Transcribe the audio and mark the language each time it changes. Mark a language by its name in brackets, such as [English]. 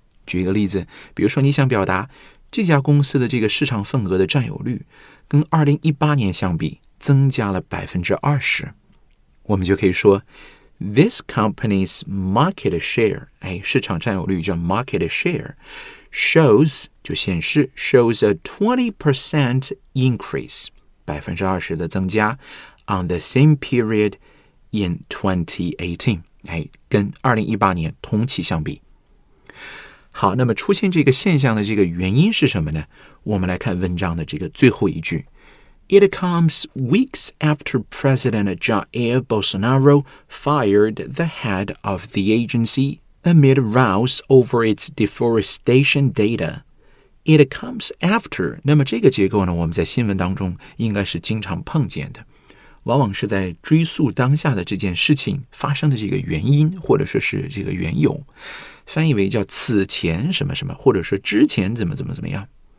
[Chinese] 举一个例子，比如说你想表达这家公司的这个市场份额的占有率跟2018年相比增加了 20%， 我们就可以说 [English] This company's market share， [Chinese] 哎，市场占有率叫 market share， shows 就显示 [English] shows a 20% increase， [Chinese] 20% 的增加 [English] On the same period in 2018， [Chinese] 哎，跟2018年同期相比。好，那么出现这个现象的这个原因是什么呢？我们来看文章的这个最后一句。 [English] It comes weeks after President Jair Bolsonaro fired the head of the agency amid rows over its deforestation data. It comes after， [Chinese] 那么这个结构呢，我们在新闻当中应该是经常碰见的。往往是在追溯当下的这件事情发生的这个原因或者说是这个缘由，翻译为叫此前什么什么，或者说之前怎么怎么怎么样。